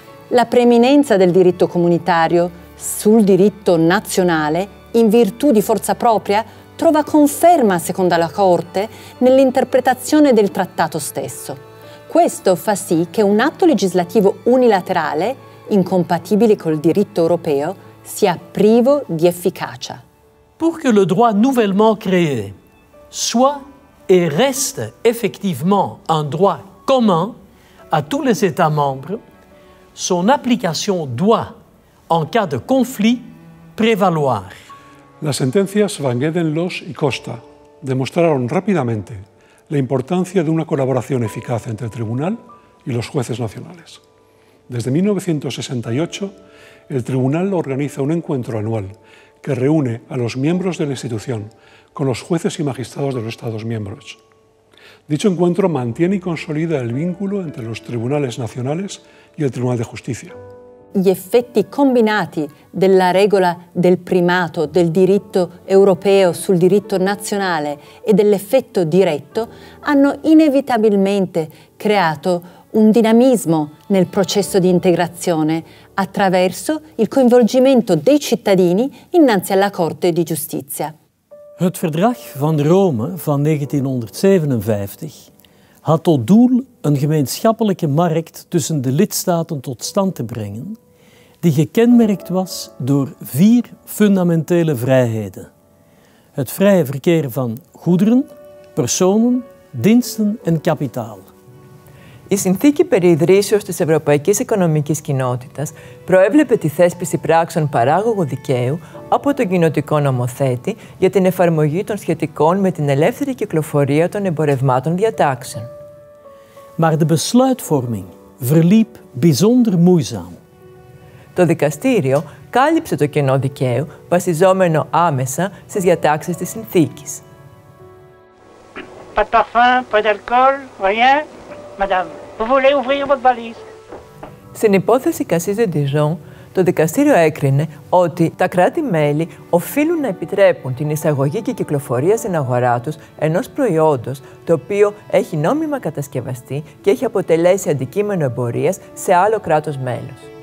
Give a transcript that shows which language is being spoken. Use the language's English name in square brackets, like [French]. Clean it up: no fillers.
[Italian] La preminenza del diritto comunitario sul diritto nazionale, in virtù di forza propria, trova conferma, secondo la Corte, nell'interpretazione del trattato stesso. Questo fa sì che un atto legislativo unilaterale, incompatibile col diritto europeo, sia privo di efficacia. [French] Pour que le droit nouvellement créé soit et reste effectivement un droit commun à tous les États membres, son application doit, en cas de conflit, prévaloir. [Spanish] Las sentencias Van Gedenlos y Costa demostraron rápidamente la importancia de una colaboración eficaz entre el Tribunal y los jueces nacionales. Desde 1968, el Tribunal organiza un encuentro anual que reúne a los miembros de la institución con los jueces y magistrados de los Estados miembros. Dicho encuentro mantiene y consolida el vínculo entre los tribunales nacionales y el Tribunal de Justicia. [Italian] Gli effetti combinati della regola del primato del diritto europeo sul diritto nazionale e dell'effetto diretto hanno inevitabilmente creato un dinamismo nel processo di integrazione attraverso il coinvolgimento dei cittadini innanzi alla Corte di Giustizia. [Dutch] Het verdrag van Rome van 1957 had tot doel een gemeenschappelijke markt tussen de lidstaten tot stand te brengen, die gekenmerkt was door vier fundamentele vrijheden. Het vrije verkeer van goederen, personen, diensten en kapitaal. [Greek] Η συνθήκη περί ιδρύσεως της Ευρωπαϊκής Οικονομικής Κοινότητας προέβλεπε τη θέσπιση πράξεων παράγωγου δικαίου από τον κοινοτικό νομοθέτη για την εφαρμογή των σχετικών με την ελεύθερη κυκλοφορία των εμπορευμάτων διατάξεων. [Dutch] Maar de besluitvorming verliep bijzonder moeizaam. [Greek] Το δικαστήριο κάλυψε το κενό δικαίου βασιζόμενο άμεσα στις διατάξεις της συνθήκης. [French] Pas de parfum, pas d'alcool, rien. Madame, vous voulez ouvrir votre valise? [Greek] Στην υπόθεση Cassis de Dijon, το δικαστήριο έκρινε ότι τα κράτη-μέλη οφείλουν να επιτρέπουν την εισαγωγή και κυκλοφορία στην αγορά τους ενός προϊόντος το οποίο έχει νόμιμα κατασκευαστεί και έχει αποτελέσει αντικείμενο εμπορίας σε άλλο κράτος-μέλος.